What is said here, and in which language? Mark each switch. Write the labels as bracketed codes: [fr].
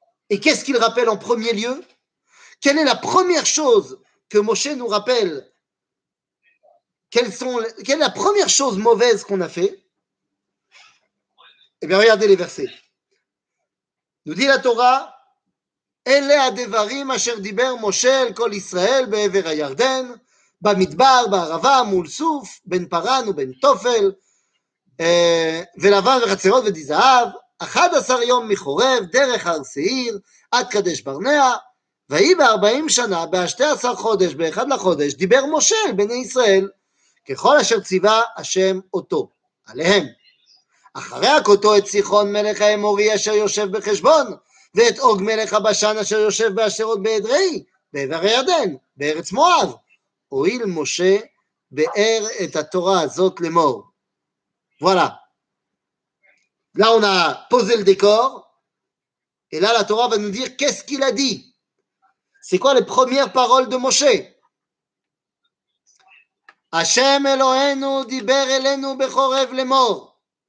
[fr] Et qu'est-ce qu'il rappelle en premier lieu? Quelle est la première chose que Moshe nous rappelle? Quelle est la première chose mauvaise qu'on a fait? Eh bien, regardez les versets. Nous dit la Torah, [he] « Ele adevarim asher diber Moshe el kol Israël be'ever ha-yarden » במדבר, בערבה, מול סוף, בין פרן ובין תופל, ולבן וחצרות ודזהב, 11 יום מחורב, דרך הר סעיר, עד קדש ברנע, והיא ב-40 שנה, ב-12 חודש, ב-1 לחודש, דיבר משה אל בני ישראל, ככל אשר ציווה השם אותו, עליהם. אחרי הכותו את סיחון מלך האמורי אשר יושב בחשבון, ואת אוג מלך הבשן אשר יושב באשרות בעדרי, בעבר הירדן, בארץ מואב. הועיל משה באר את התורה הזאת למור. וואלה. [fr] Là on a posé le décor et là la Torah va nous dire qu'est-ce qu'il a dit. C'est quoi les premières paroles de Moshe? [he] Hashem Eloheinu diber elenu b'chorev lemor.